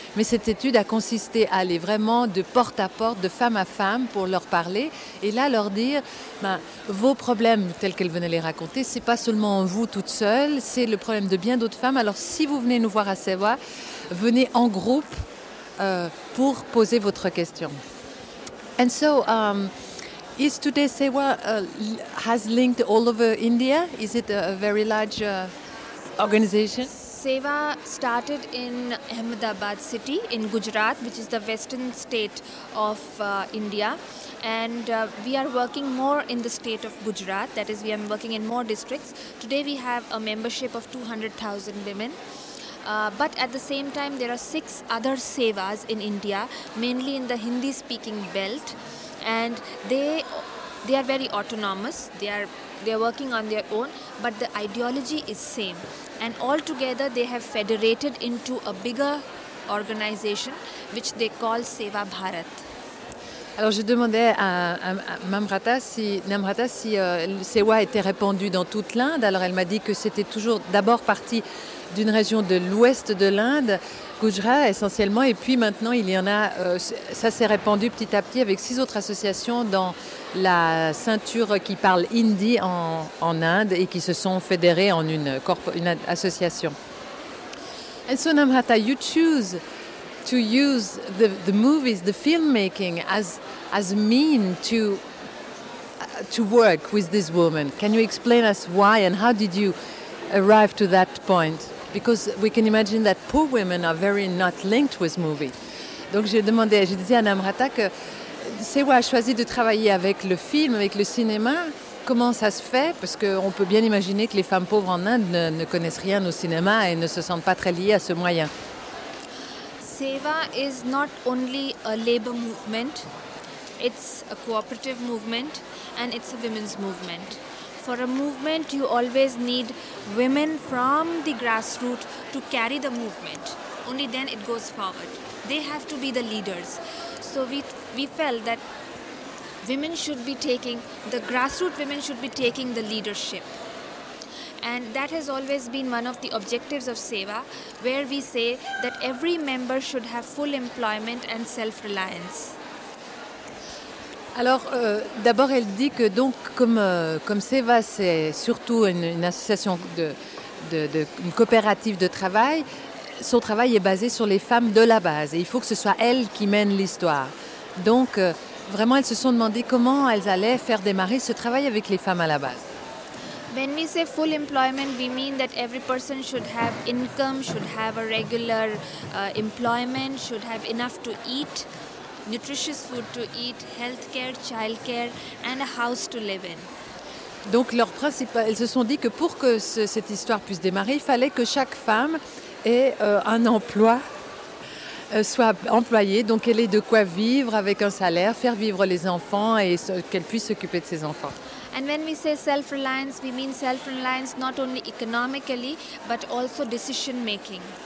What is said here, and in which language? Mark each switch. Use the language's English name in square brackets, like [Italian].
[French] Mais cette étude a consisté à aller vraiment de porte à porte, de femme à femme, pour leur parler. Et là, leur dire, ben, vos problèmes, tels qu'elles venaient les raconter, c'est pas seulement vous toutes seules, c'est le problème de bien d'autres femmes. Alors si vous venez nous voir à Seva, venez en groupe pour poser votre question. [English] And so, is today Seva has linked all over India? Is it a very large organization? Seva started in Ahmedabad city in Gujarat, which is the western state of India. And we are working more in the state of Gujarat. That is, we are working in more districts. Today we have a membership of 200,000 women. But at the same time, there are six other Sevas in India, mainly in the Hindi-speaking belt, and they are very autonomous. They are working on their own, but the ideology is same. And all together, they have federated into a bigger organization, which they call Seva Bharat. [French] Alors je demandais à Namrata si Seva était répandue dans toute l'Inde. Alors elle m'a dit que c'était toujours d'abord parti d'une région de l'ouest de l'Inde, Gujarat essentiellement, et puis maintenant il y en a, ça s'est répandu petit à petit avec six autres associations dans la ceinture qui parle hindi en Inde et qui se sont fédérées en une association. [English] And so Namrata, you choose to use the movies, the filmmaking as a mean to work with this woman. Can you explain us why and how did you arrive to that point? Because we can imagine that poor women are very not linked with movies. [French] Donc j'ai dit à Namrata que Seva a choisi de travailler avec le film, avec le cinéma. Comment ça se fait? Parce qu'on peut bien imaginer que les femmes pauvres en Inde ne connaissent rien au cinéma et ne se sentent pas très liées à ce moyen. [English] Seva is not only a labor movement, it's a cooperative movement and it's a women's movement. For a movement, you always need women from the grassroots to carry the movement. Only then it goes forward. They have to be the leaders. So we felt that the grassroots women should be taking the leadership. And that has always been one of the objectives of Seva, where we say that every member should have full employment and self-reliance. [French] Alors, d'abord, elle dit que donc, comme Seva, c'est surtout une association une coopérative de travail, son travail est basé sur les femmes de la base. Et il faut que ce soit elles qui mènent l'histoire. Donc, vraiment, elles se sont demandé comment elles allaient faire démarrer ce travail avec les femmes à la base. [English] When we say full employment, we mean that every person should have income, should have a regular employment, should have enough to eat, nutritious food to eat, healthcare, childcare, and a house to live in. [French] Donc, elles se sont dit que pour que cette histoire puisse démarrer, il fallait que chaque femme ait un emploi, soit employée, donc elle ait de quoi vivre avec un salaire, faire vivre les enfants et qu'elle puisse s'occuper de ses enfants. [English] And when we say self-reliance, we mean self-reliance not only economically, but also decision-making.